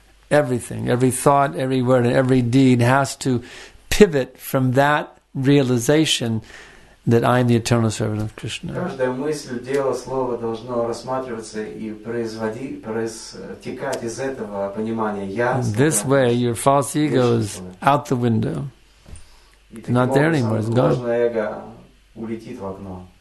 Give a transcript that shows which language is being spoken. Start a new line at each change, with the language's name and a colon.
English: Everything, every thought, every word, and every deed has to pivot from that realization that I am the eternal servant of Krishna.
Russian: Каждая мысль, дело, слово должно рассматриваться и проистекать из этого понимания. Я.
English: This way, your false ego is out the window. Not there anymore. It's gone.
Russian: Ложное эго улетит в окно.